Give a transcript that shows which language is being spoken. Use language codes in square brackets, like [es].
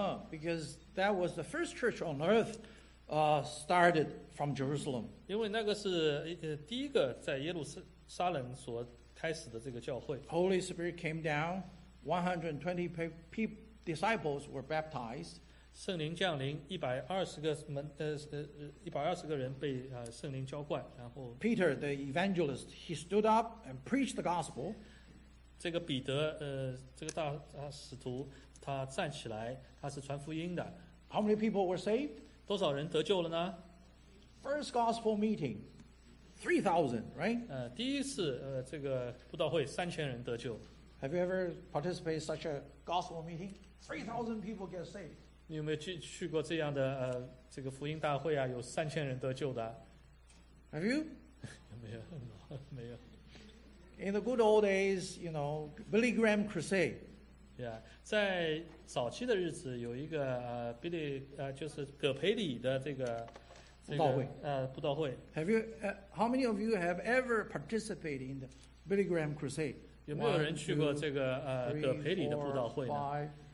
[en] Because that was the first church on earth started from Jerusalem. [zh] 因为那个是第一个在耶路撒冷所开始的这个教会。 [en] Holy Spirit came down, 120 disciples were baptized. [zh] 圣灵降临，120个人被圣灵浇灌，然后 [en] Peter, the evangelist, he stood up and preached the gospel. [zh] 这个彼得这个大使徒他站起来，他是传福音的。 [en] How many people were saved? [zh] 多少人得救了呢？ [en] First gospel meeting, 3,000, right? [zh] 第一次这个布道会3000人得救。 [en] Have you ever participated in such a gospel meeting? 3,000 people get saved. [zh] 你有没有去过这样的这个福音大会啊？有3000人得救的。 [en] Have you? [zh] 没有，没有。 [en] In the good old days, you know, Billy Graham crusade. [zh] Yeah, 在早期的日子有一个就是葛培里的这个布道会。 [en] Have you, how many of you have ever participated in the Billy Graham Crusade? [zh] 有没有人去过这个葛培里的布道会呢？